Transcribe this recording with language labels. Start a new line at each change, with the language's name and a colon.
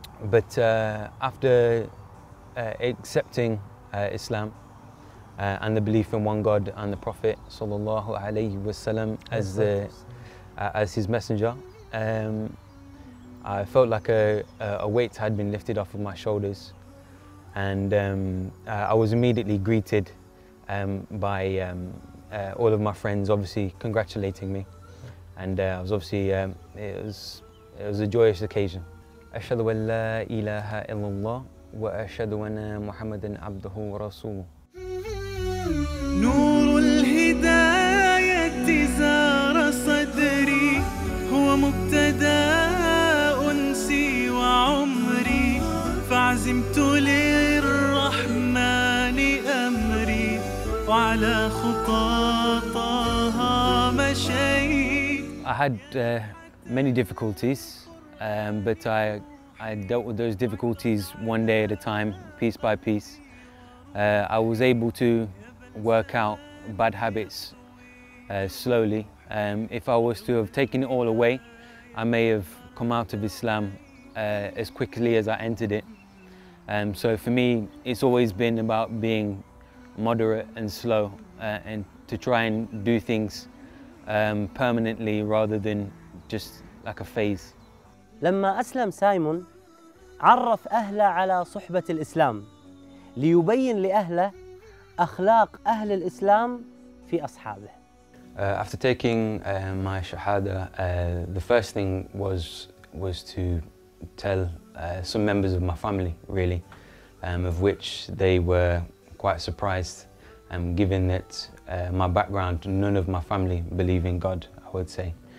English: But after accepting Islam and the belief in one God and the Prophet
Arabic: sallallahu alaihi wasallam
English: as his messenger, I felt like a weight had been lifted off of my shoulders, and I was immediately greeted by all of my friends, obviously congratulating me, and I was obviously it was a joyous occasion.
Arabic: أشهد أن لا إله إلا الله وأشهد أن محمداً عبده ورسوله. نور الهداية زار صدري هو مبتدا أنسي وعمري فعزمت للرحمن أمري وعلى خطاها مشي.
English: I had many difficulties, but I dealt with those difficulties one day at a time, piece by piece. I was able to work out bad habits slowly. If I was to have taken it all away, I may have come out of Islam as quickly as I entered it. So for me, it's always been about being moderate and slow, and to try and do things permanently rather than just like a phase.
Arabic: لما أسلم سايمون عرف أهله على صحبة الإسلام ليبين لأهله أخلاق أهل الإسلام في أصحابه.
English: After taking my shahada, the first thing was to tell some members of my family, really, of which they were quite surprised, given that my background, none of my family believe in God, I would say.